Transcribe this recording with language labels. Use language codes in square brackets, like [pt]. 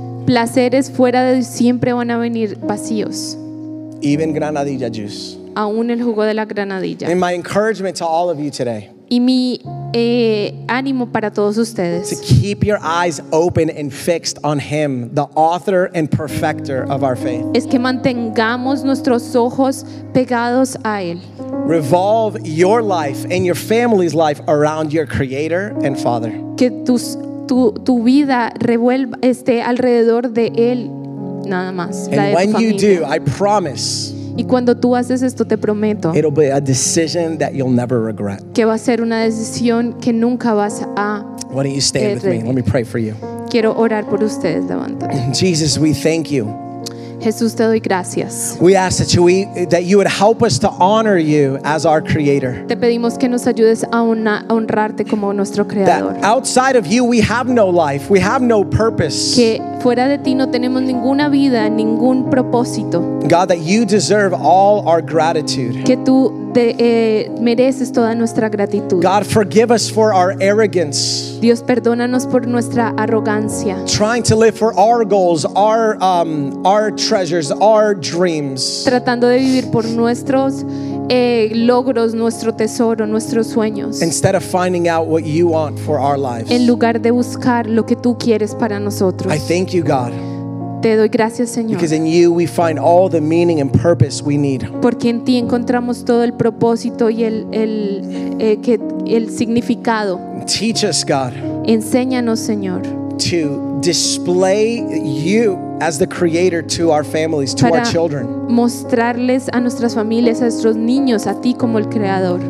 [es] Placeres fuera de siempre van a venir vacíos. [en] Even granadilla juice. [es] Aún el jugo de la granadilla. [en] And my encouragement to all of you today. [es] Y mi ánimo para todos ustedes. [en] To keep your eyes open and fixed on Him, the author and perfecter of our faith. [es] Es que mantengamos nuestros ojos pegados a Él. [en] Revolve your life and your family's life around your Creator and Father. [es] Que tu vida revuelva alrededor de él nada más. [en] And when you do, I promise. [es] Y cuando tú haces esto, te prometo. [en] It'll be a decision that you'll never regret. [es] Que va a ser una decisión que nunca vas a. [en] Why don't you stand with me? Let me pray for you. [es] Quiero orar por ustedes. Levántate. [en] Jesus, we thank you. [es] Jesús, te doy gracias. [en] We ask that you would help us to honor you as our creator. [es] Te pedimos que nos ayudes a honrarte como nuestro creador. [en] That outside of you we have no life, we have no purpose. [es] Que fuera de ti no tenemos ninguna vida, ningún propósito. [en] God, that you deserve all our gratitude. [es] Que tú mereces toda nuestra gratitud. [en] God, forgive us for our arrogance. [es] Dios, perdónanos por nuestra arrogancia. [en] Trying to live for our goals, our treasures, our dreams. [es] Tratando de vivir por nuestros logros, nuestro tesoro, nuestros sueños. [en] Instead of finding out what you want for our lives. [es] En lugar de buscar lo que tú quieres para nosotros. [en] I thank you, God. [es] Te doy gracias, Señor. [en] Because in you we find all the meaning and purpose we need. [es] Porque en ti encontramos todo el propósito y el significado. [en] Teach us, God. [es] Enséñanos, Señor. [en] To display you as the creator to our families, to our children. [es] Para mostrarles a nuestras familias, a nuestros niños, a ti como el creador.